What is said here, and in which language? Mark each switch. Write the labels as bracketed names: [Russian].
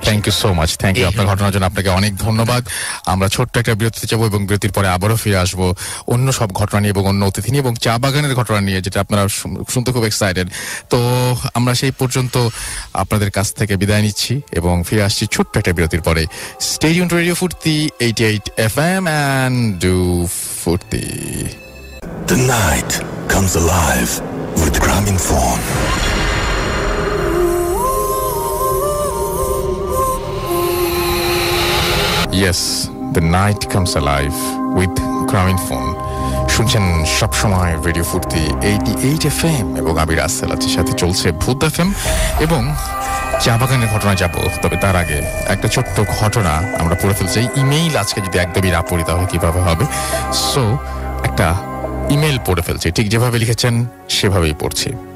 [English] thank you so much, thank you [Bangla] আপনার ঘটনার জন্য, আপনাকে অনেক ধন্যবাদ। আমরা ছোট্ট একটা বিরতিতে যাবো এবং বিরতির পরে আবারও ফিরে আসবো অন্য সব ঘটনা নিয়ে এবং অন্য অতিথি নিয়ে এবং চা বাগানের ঘটনা নিয়ে, যেটা আপনারা শুনতে খুব এক্সাইটেড। তো আমরা সেই পর্যন্ত আপনাদের কাছ থেকে বিদায় নিচ্ছি এবং ফিরে আসছি ছোট্ট একটা বিরতির পরে। [English] Stay tune to Radio Foorti 88 FM and do foorti. The night comes alive with Gramophone. Yes, the night comes alive with Gramophone. [Bangla] শুনছেন সবসময় রেডিও ফুর্তি 88 FM এবং আমি রাসেল আছি, সাথে চলছে ভূত FM এবং চা বাগানের ঘটনা যাবো। তবে তার আগে একটা ছোট্ট ঘটনা আমরা পড়ে ফেলছি, ইমেইল আজকে যদি একদমই না পড়ি তাহলে কীভাবে হবে। সো একটা ইমেইল পড়ে ফেলছি, ঠিক যেভাবে লিখেছেন সেভাবেই পড়ছি।